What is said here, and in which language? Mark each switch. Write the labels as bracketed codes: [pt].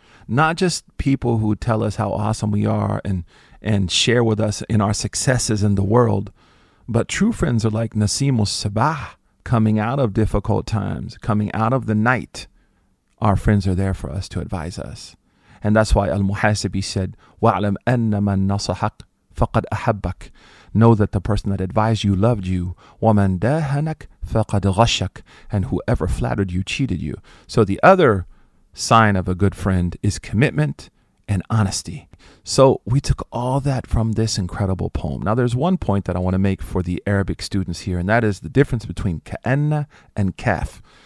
[en] Not just people who tell us how awesome we are and share with us in our successes in the world, but true friends are like Nasim al-Sabah, coming out of difficult times, coming out of the night. Our friends are there for us to advise us. And that's why Al-Muhasibi said, [ar] وَعْلَمْ أَنَّ مَنْ نَصَحَكَ فَقَدْ أَحَبَّكَ. [en] Know that the person that advised you loved you. [ar] وَمَنْ دَاهَنَكَ فَقَدْ غَشَكَ. [en] And whoever flattered you cheated you. So the other sign of a good friend is commitment and honesty. So we took all that from this incredible poem. Now there's one point that I want to make for the Arabic students here, and that is the difference between ka'anna and kaf.